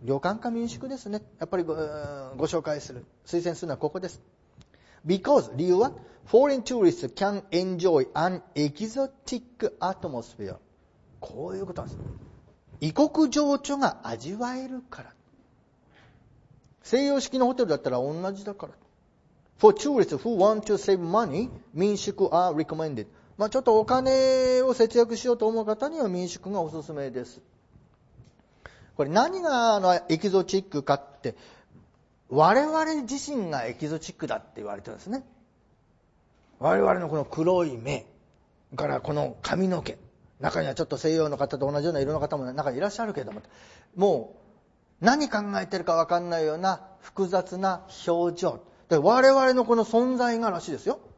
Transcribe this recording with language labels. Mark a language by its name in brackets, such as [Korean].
[Japanese] 旅館か民宿ですね。やっぱり ご紹介する、推薦するのはここです。 [English] Because, [Japanese] 理由は、 [English] foreign tourists can enjoy an exotic atmosphere. [Japanese] こういうことなんです。異国情緒が味わえるから。西洋式のホテルだったら同じだから。 [English] For tourists who want to save money, 民宿 are recommended. [Japanese] まあ、ちょっとお金を節約しようと思う方には民宿がおすすめです。これ何がエキゾチックかって、我々自身がエキゾチックだって言われてるんですね。我々のこの黒い目からこの髪の毛、中にはちょっと西洋の方と同じような色の方も中にいらっしゃるけども、もう何考えてるか分かんないような複雑な表情で、我々のこの存在がらしいですよ。